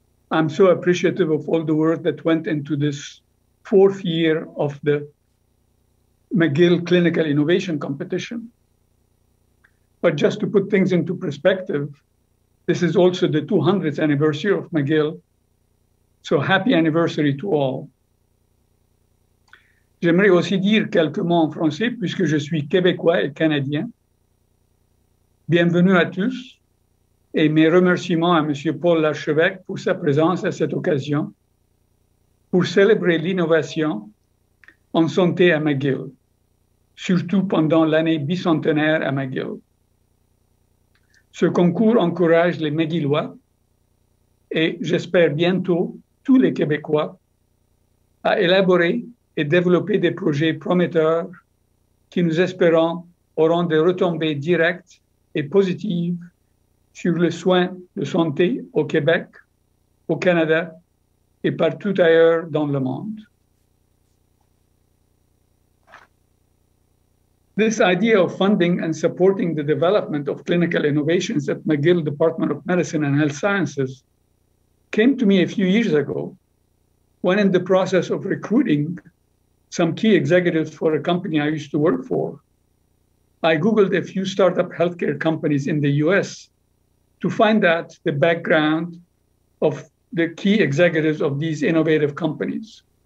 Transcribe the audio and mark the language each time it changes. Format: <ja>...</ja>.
<en>I'm so appreciative of all the work that went into this fourth year of the McGill Clinical Innovation Competition. But just to put things into perspective, this is also the 200th anniversary of McGill. So happy anniversary to all.</en> <fr>J'aimerais aussi dire quelques mots en français, puisque je suis Québécois et Canadien. Bienvenue à tous, et mes remerciements à M. Paul Larchevêque pour sa présence à cette occasion, pour célébrer l'innovation en santé à McGill, surtout pendant l'année bicentenaire à McGill. Ce concours encourage les McGillois, et j'espère bientôt tous les Québécois, à élaborer et développer des projets prometteurs qui, nous espérons, auront des retombées directes et positives sur le soin de santé au Québec, au Canada et partout ailleurs dans le monde.</fr> <en>This idea of funding and supporting the development of clinical innovations at McGill Department of Medicine and Health Sciences came to me a few years ago when in the process of recruiting some key executives for a company I used to work for, I Googled a few startup healthcare companies in the US to find out the background of the key executives of these innovative companies.</en>